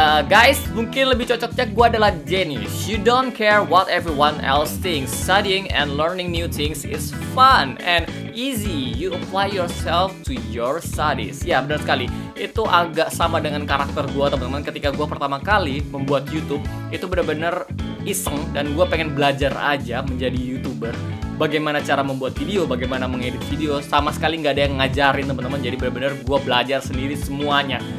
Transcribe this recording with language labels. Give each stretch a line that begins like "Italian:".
Indonesian: Guys, mungkin lebih cocoknya gua adalah genius.
English: You don't care what everyone else thinks. Studying and learning new things is fun and easy. You apply yourself to your studies.
Indonesian: Ya, benar sekali. Itu agak sama dengan karakter gua teman-teman. Ketika gua pertama kali membuat YouTube, itu benar-benar iseng dan gua pengen belajar aja menjadi YouTuber. Bagaimana cara membuat video, bagaimana mengedit video, sama sekali nggak ada yang ngajarin teman-teman. Jadi benar-benar gue belajar sendiri semuanya.